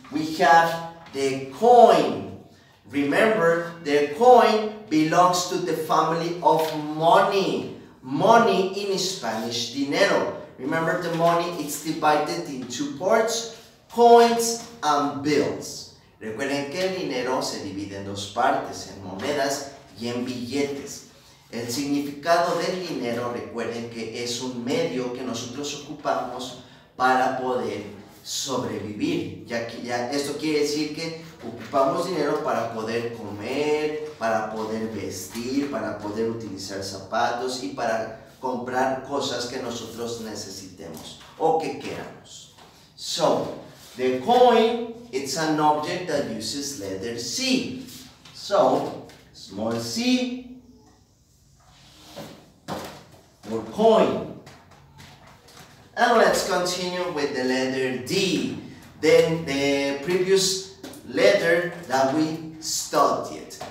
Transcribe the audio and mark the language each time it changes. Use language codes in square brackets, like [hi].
[en] We have the coin. Remember, the coin belongs to the family of money. Money in Spanish, dinero. Remember, the money is divided in two parts, coins and bills. [es] Recuerden que el dinero se divide en dos partes, en monedas y en billetes. El significado del dinero, recuerden que es un medio que nosotros ocupamos para poder sobrevivir. Ya esto quiere decir que ocupamos dinero para poder comer, para poder vestir, para poder utilizar zapatos y para comprar cosas que nosotros necesitemos o que queramos. [en] So, the coin, it's an object that uses letter C. So, small C, or coin. And let's continue with the letter D. Then the previous letter that we studied.